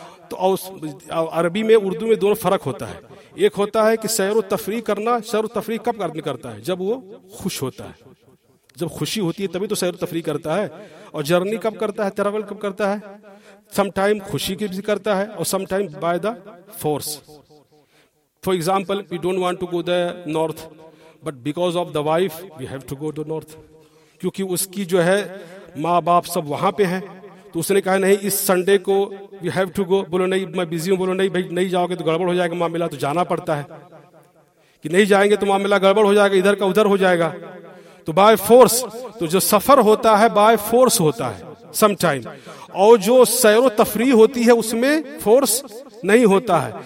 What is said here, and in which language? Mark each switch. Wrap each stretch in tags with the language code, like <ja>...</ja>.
<ur>تو عربی میں اردو میں دونوں فرق ہوتا ہے. ایک ہوتا ہے کہ سیر و تفریح کرنا. سیر و تفریح کب آدمی کرتا ہے؟ جب وہ خوش ہوتا ہے. جب خوشی ہوتی ہے تبھی تو سیر و تفریح کرتا ہے. اور جرنی کب کرتا ہے؟ ٹریول کب کرتا ہے؟</ur> <en>some time</en> <ur>خوشی کی بھی کرتا ہے, اور some time</ur> <en>By the force. For example, we don't want to go the north, but because of the wife we have to go the north.</en> <ur>کیونکہ اس کی جو ہے ماں باپ سب وہاں پہ ہیں, تو اس نے کہا نہیں اس سنڈے کو</ur> <en>We have to go.</en> <ur>بولو نہیں میں بزی ہوں. بولو نہیں بھائی نہیں جاؤ گے تو گڑبڑ ہو جائے گا معاملہ, تو جانا پڑتا ہے. کہ نہیں جائیں گے تو معاملہ گڑبڑ ہو جائے گا, ادھر کا ادھر ہو جائے گا. تو</ur> <en>by force,</en> <ur>تو جو سفر ہوتا ہے بائی فورس ہوتا ہے</ur> <en>some time,</en> <ur>اور جو سیر و تفریح ہوتی ہے اس میں فورس نہیں ہوتا ہے.</ur>